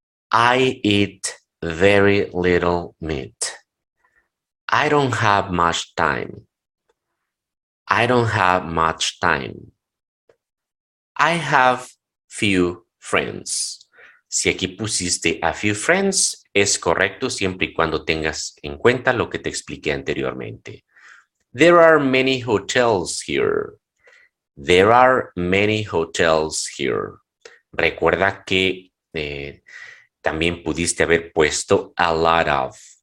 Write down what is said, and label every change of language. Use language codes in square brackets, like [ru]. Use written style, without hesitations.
[en] I eat very little meat. I don't have much time. I don't have much time. I have few friends. [es] Si aquí pusiste [en] a few friends, [es] es correcto siempre y cuando tengas en cuenta lo que te expliqué anteriormente. [en] There are many hotels here. There are many hotels here. [es] Recuerda que también pudiste haber puesto a lot of.